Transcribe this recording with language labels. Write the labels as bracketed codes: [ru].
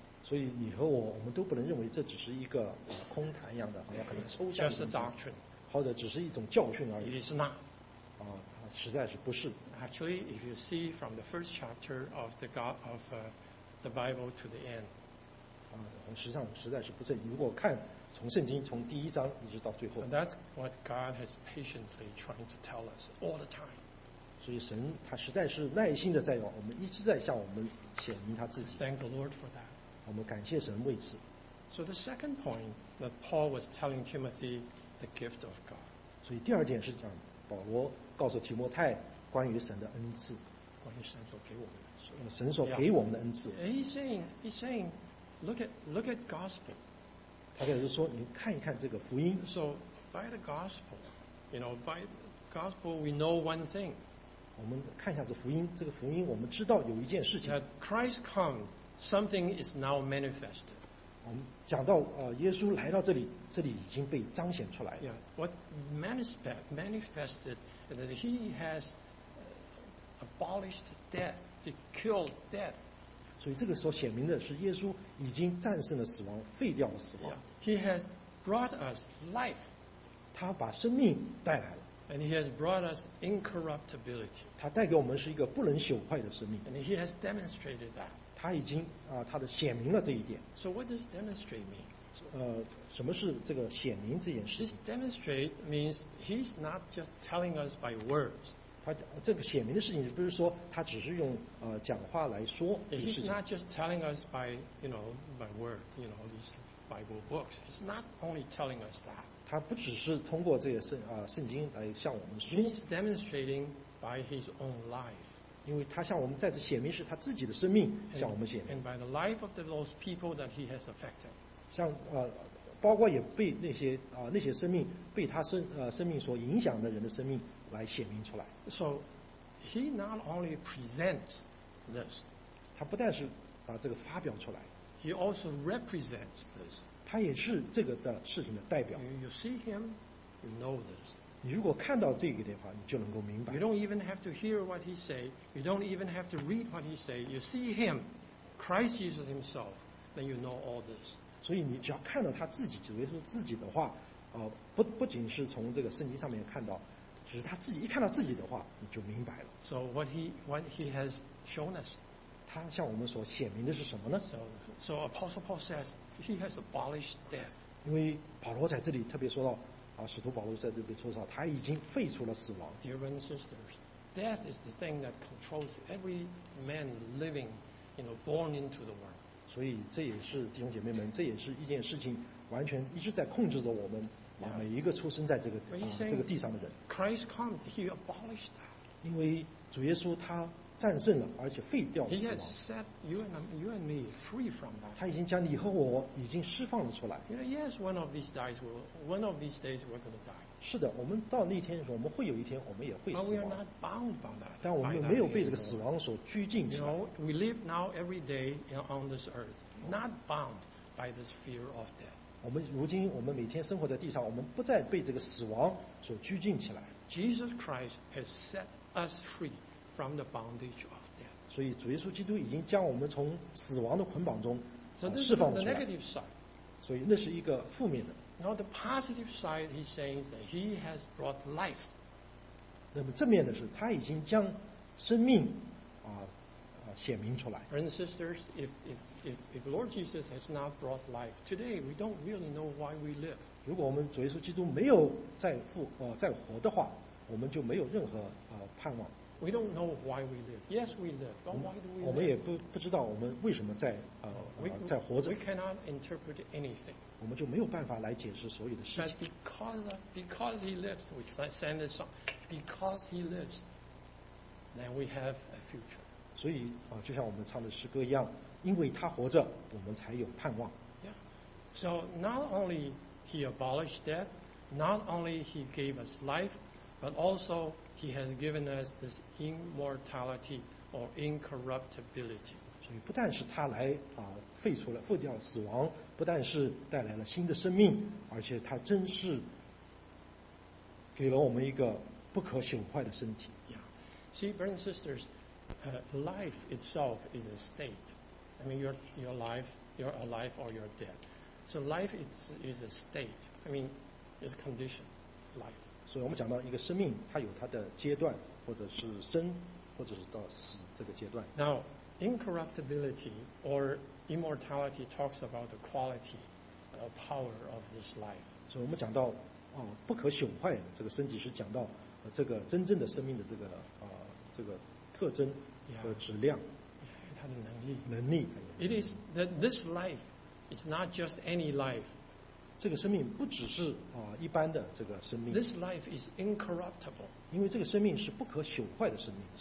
[zh] 所以你和我，我们都不能认为这只是一个空谈一样的，好像可能抽象的。 [en] Just a doctrine. [zh] 或者只是一种教训而已。 [en] It is not. [zh] 它实在是不是。 [en] Actually, if you see from the first chapter of the God of the Bible to the end. [zh] 实际上实在是不是。如果看从圣经从第一章一直到最后。 [en] And that's what God has patiently trying to tell us all the time. [zh] 所以神他实在是耐心的在我们一直在向我们显明他自己。 [en] Thank the Lord for that. [zh] 我们感谢神为此。 [en] So the second point that Paul was telling Timothy the gift of God. [zh] 所以第二点是讲保罗告诉提摩太关于神的恩赐，关于神所给我们的，神所给我们的恩赐。 [en] Yeah. He's saying, look at gospel. [zh] 他就是说，你看一看这个福音。 [en] So by the gospel, you know, by gospel we know one thing. [zh] 我们看一下这福音，这个福音我们知道有一件事情。 [en] That Christ come. Something is now manifest. [zh] 我们讲到耶稣来到这里，这里已经被彰显出来了。 [en] Yeah, what manifested that he has abolished death, he killed death. [zh] 所以这个所显明的是耶稣已经战胜了死亡，废掉了死亡。 [en] Yeah, he has brought us life. [zh] 他把生命带来了。 [en] And he has brought us incorruptibility. [zh] 他带给我们是一个不能朽坏的生命。 [en] And he has demonstrated that. [zh] 他已经他的显明了这一点。 [en] So what does demonstrate mean? [zh] 什么是这个显明这件事情？ [en] This demonstrate means he's not just telling us by words. [zh] 他这个显明的事情不是说他只是用讲话来说。 [en] He's not just telling us by, you know, by word, you know, these Bible books. He's not only telling us that. [zh] 他不只是通过这个圣经来向我们说。 [en] He's demonstrating by his own life. [zh] 因为他向我们再次显明是他自己的生命向我们显明。 [en] And by the life of those people that he has affected. [zh] 像包括也被那些生命被他生命所影响的人的生命来显明出来。 [en] So he not only presents this. [zh] 他不但是把这个发表出来。 [en] He also represents this. [zh] 他也是这个的事情的代表。 [en] You see him, you know this. [zh] 你如果看到这个的话，你就能够明白。 [en] You don't even have to hear what he say. You don't even have to read what he say. You see him, Christ Jesus himself, then you know all this. [zh] 所以你只要看到他自己，只为说自己的话，不仅是从这个圣经上面看到，只是他自己一看到自己的话，你就明白了。 [en] So what he has shown us, [zh] 他向我们所显明的是什么呢 [en] ？So Apostle Paul says he has abolished death. [zh] 因为保罗在这里特别说到。使徒保罗在这里说到，他已经废除了死亡。 [en] Dear brothers and sisters, death is the thing that controls every man living, you know, born into the world. [zh] 所以这也是弟兄姐妹们，这也是一件事情，完全一直在控制着我们每一个出生在这个地上的人。 [en] Christ comes, he abolished that. [zh] 因为主耶稣他战胜了，而且废掉了死亡。 [en] He has set you and me free from that. [zh] 他已经将你和我已经释放了出来。 [en] You know, yes, one of these days we're going to die. [zh] 是的，我们到那天的时候，我们会有一天，我们也会死亡。 [en] But we are not bound by that. [zh] 但我们没有被这个死亡所拘禁起来。 [en] You know, we live now every day on this earth, not bound by this fear of death. [zh] 我们如今，我们每天生活在地上，我们不再被这个死亡所拘禁起来。 [en] Jesus Christ has set us free. From the bondage of death. [zh] 所以主耶稣基督已经将我们从死亡的捆绑中释放出来。所以那是一个负面的。 [en] Now the positive side, he says that he has brought life. [zh] 那么正面的是，他已经将生命显明出来。 [en] Brothers and sisters, if Lord Jesus has not brought life, today we don't really know why we live. [zh] 如果我们主耶稣基督没有再活的话。我们就没有任何盼望。 [en] We don't know why we live. Yes, we live, but why do we live? [zh] 我们也不知道我们为什么在活着。 [en] We cannot interpret anything. [zh] 我们就没有办法来解释所有的事情。 [en] But because he lives, we sang this song. Because he lives, then we have a future. [zh] 所以就像我们唱的诗歌一样，因为他活着，我们才有盼望。 [en] Yeah. So not only he abolished death, not only he gave us life. But also, he has given us this immortality or incorruptibility. [zh] 所以不但是他来废除了、废掉死亡，不但是带来了新的生命，而且他真是给了我们一个不可朽坏的身体。 [en] Yeah. See, brothers and sisters, life itself is a state. I mean, your life, you're alive or you're dead. So life is a state. I mean, it's a condition, life. [zh] 所以我们讲到一个生命，它有它的阶段，或者是生，或者是到死这个阶段。 [en] Now, incorruptibility or immortality talks about the quality, power of this life. [zh] 所以我们讲到不可朽坏这个身体，是讲到这个真正的生命的这个特征和质量。 Yeah, 它的能力。能力。 [en] It is that this life is not just any life. [zh] 这个生命不只是一般的这个生命。 [en] This life is incorruptible. [zh] 因为这个生命是不可朽坏的生命。